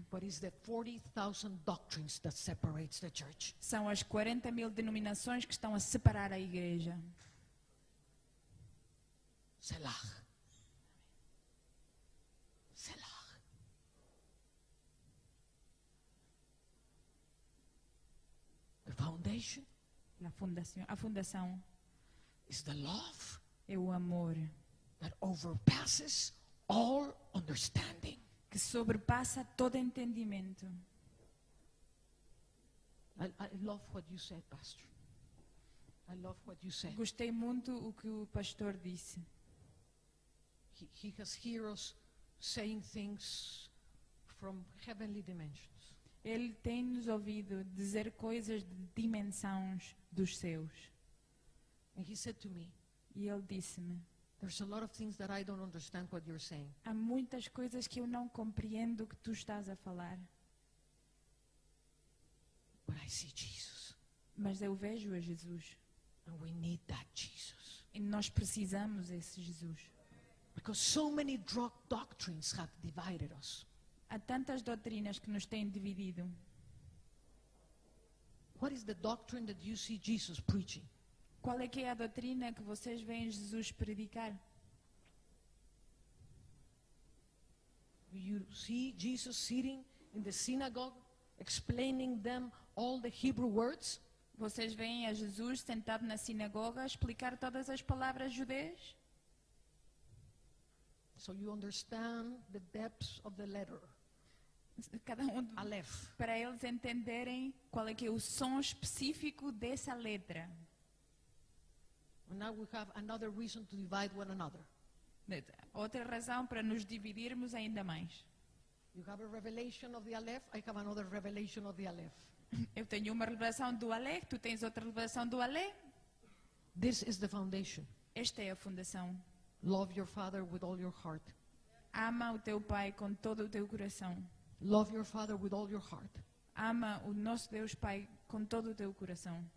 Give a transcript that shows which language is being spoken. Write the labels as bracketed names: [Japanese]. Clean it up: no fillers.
[English] but it's the 40,000 doctrines that separates the church. [Portuguese] São as 40 mil denominações que estão a separar a igreja. [Hebrew] Selah. Selah. [English] The foundation. [Portuguese] A fundação [English] is the love, [Portuguese] é o amor [English] that overpasses all understanding, [Portuguese] que sobrepassa todo entendimento. [English] I love what you said, pastor. I love what you said. [Portuguese] Gostei muito o que o pastor disse. [English] He has heroes saying things from heavenly dimensions. [Portuguese] Ele tem nos ouvido dizer coisas de dimensões dos céus. [English] And he said to me, [Portuguese] e ele disse-me, [English] there's a lot of things that I don't understand what you're saying. [Portuguese] Há muitas coisas que eu não compreendo o que tu estás a falar. [English] But I see Jesus. [Portuguese] Mas eu vejo a Jesus. [English] And we need that Jesus. [Portuguese] E nós precisamos desse Jesus. [English] Because so many drug doctrines have divided us. [Portuguese] Há tantas doutrinas que nos têm dividido. [English] What is the doctrine that you see Jesus preaching? [Portuguese] Qual é que é a doutrina que vocês veem Jesus predicar? [English] You see Jesus sitting in the synagogue explaining them all the Hebrew words? [Portuguese] Vocês veem a Jesus sentado na sinagoga a explicar todas as palavras judeias? [English] So you understand the depths of the letter. [Portuguese] Cada um [Hebrew] Aleph. [Portuguese] Para eles entenderem qual é que é o som específico dessa letra. [English] And now we have another reason to divide one another. [Portuguese] Outra razão para nos dividirmos ainda mais. [English] You have a revelation of the Aleph, I have another revelation of the Aleph. [Portuguese] Eu tenho uma revelação do Aleph, tu tens outra revelação do Aleph. [English] This is the foundation. [Portuguese] Esta é a fundação. [English] Love your father with all your heart. [Portuguese] Ama o teu pai com todo o teu coração. [English] Love your father with all your heart. [Portuguese] Ama o nosso Deus Pai com todo o teu coração.